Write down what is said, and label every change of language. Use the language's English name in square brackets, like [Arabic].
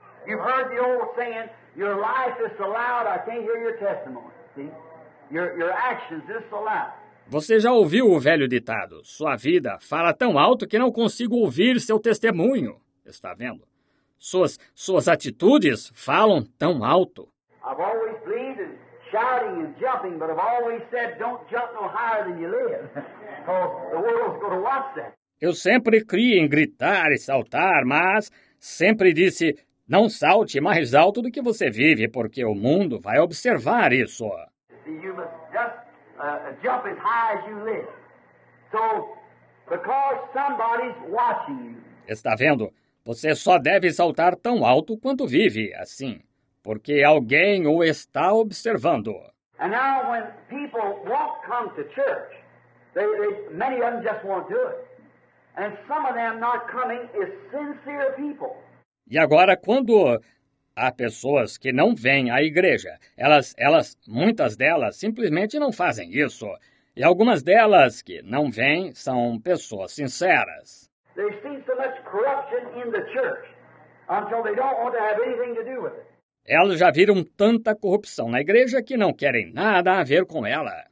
[English] You've heard the old saying, your life is so loud, I can't hear your testimony. See? Your actions is so loud. [Portuguese] Você já ouviu o velho ditado, sua vida fala tão alto que não consigo ouvir seu testemunho. Está vendo? Suas atitudes falam tão alto. [English] I've always believed in shouting and jumping, but I've always said, don't jump no higher than you live, because the world's going to watch that. [Portuguese] Eu sempre criei em gritar e saltar, mas sempre disse, não salte mais alto do que você vive, porque o mundo vai observar isso. [English] See, you must just jump as high as you live. So, because somebody's watching you. [Portuguese] Está vendo? Você só deve saltar tão alto quanto vive, assim. Porque alguém o está observando. [English] And now when people won't come to church, many of them just won't do it. And some of them not coming is sincere people. [Portuguese] E agora quando há pessoas que não vêm à igreja, elas muitas delas simplesmente não fazem isso. E algumas delas que não vêm são pessoas sinceras. [English] They've seen so much corruption in the church until they don't want to have anything to do with it. [Portuguese] Elas já viram tanta corrupção na igreja que não querem nada a ver com ela.